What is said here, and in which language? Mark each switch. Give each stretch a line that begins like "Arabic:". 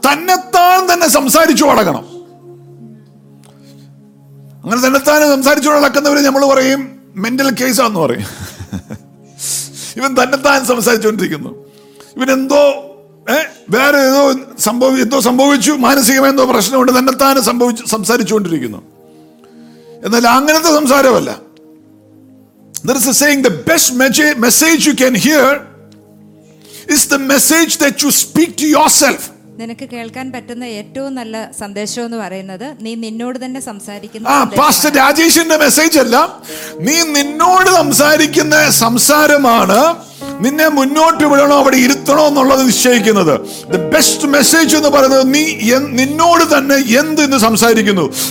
Malayalam: thannathaan thanne samsarichu valakanam, angana thannathaan samsarichu valakkunnavare nammal parayum mental case aanu parayum. Ivan thannathaan samsarichondirikkunnu, ivan endo വേറെ ഏതോ സംഭവം, എന്തോ സംഭവിച്ചു, മാനസികമായ എന്തോ പ്രശ്നമുണ്ട്, തന്നെ താനെ സംഭവിച്ചു സംസാരിച്ചുകൊണ്ടിരിക്കുന്നു. എന്നാൽ അങ്ങനത്തെ സംസാരമല്ല.
English: There is a saying, the best message you can hear is the message that you speak to yourself.
Malayalam: നിനക്ക് കേൾക്കാൻ പറ്റുന്ന ഏറ്റവും നല്ല സന്ദേശം എന്ന് പറയുന്നത് നീ നിന്നോട് തന്നെ സംസാരിക്കുന്ന, പാസ്റ്റർ രാജേഷിന്റെ മെസ്സേജ് അല്ല, നീ നിന്നോട് സംസാരിക്കുന്ന സംസാരമാണ് നിന്നെ മുന്നോട്ട് വിടണോ അവിടെ ഇരുത്തണോ എന്നുള്ളത് നിശ്ചയിക്കുന്നത്. ദി ബെസ്റ്റ് മെസ്സേജ് എന്ന് പറയുന്നത് നീ നിന്നോട് തന്നെ എന്ത് ഇന്ന് സംസാരിക്കുന്നു.